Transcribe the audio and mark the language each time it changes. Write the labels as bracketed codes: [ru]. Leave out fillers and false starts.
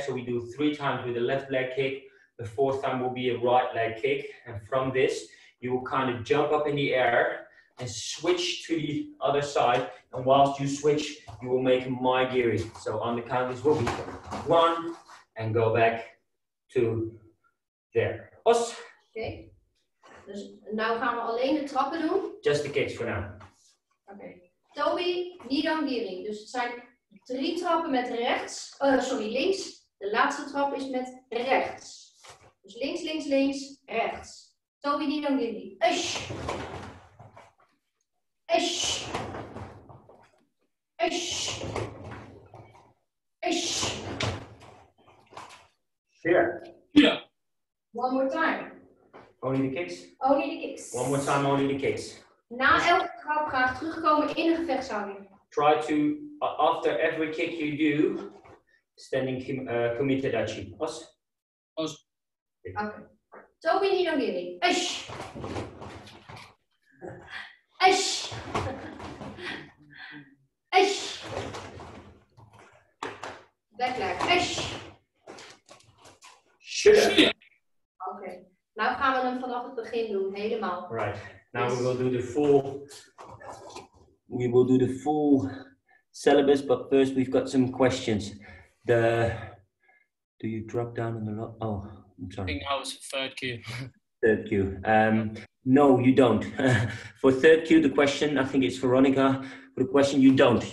[en] So we do three times with the left leg kick. The fourth time will be a right leg kick. And from this, you will kind of jump up in the air and switch to the other side. And whilst you switch, you will make Maidiri. So on the count, this will be one and go back. To there. Os. Okay. [nl] Dus nou gaan we alleen de trappen doen. [en] Just the kicks for now. Okay. Tobi, Nidangiri. [nl] Dus het zijn drie trappen met rechts. Links. De laatste trap is met rechts. Dus links, links, links, rechts. Tobi, Nidangiri. Ush. Ush. Ush. Ush. [en] Yeah. One more time. Only the kicks? Only the kicks. One more time, only the kicks. [nl] Na elke trap graag terugkomen in de gevechtshouding. [en] Try to, after every kick you do, standing kumitadachi. Os? Os. Okay. Tobi Nidongiri. Esh! Esh! Esh! Back leg. Esh! Sure. [nl] Okay. Now gaan we hem vanaf het begin doen, helemaal. [en] Right. Now yes. We will do the full syllabus, but first we've got some questions. Do you drop down in the lot? Oh, I'm sorry. I think I was third Q. Third Q. No, you don't. For third Q, the question, I think it's Veronica. For the question, you don't.